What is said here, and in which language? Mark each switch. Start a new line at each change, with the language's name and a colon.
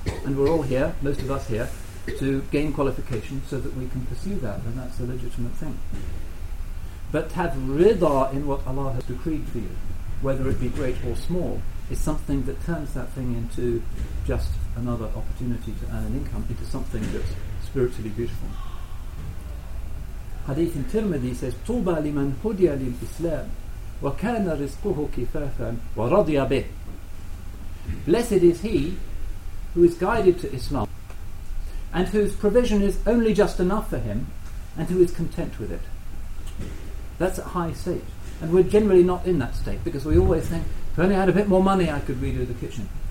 English: And we're all here, most of us here, to gain qualifications so that we can pursue that, and that's a legitimate thing. But to have ridha in what Allah has decreed for you, whether it be great or small, is something that turns that thing into just another opportunity to earn an income, into something that's spiritually beautiful. Hadith in Tirmidhi says,
Arabic: طُوبَى لِمَنْ هُدِيَ لِلْإِسْلَامِ وَكَانَ رِزْقُهُ كِفَافًا وَرَضِيَ بِهِ.
English: Blessed is he who is guided to Islam and whose provision is only just enough for him and who is content with it. That's a high state. And we're generally not in that state, because we always think, if only I had a bit more money, I could redo the kitchen.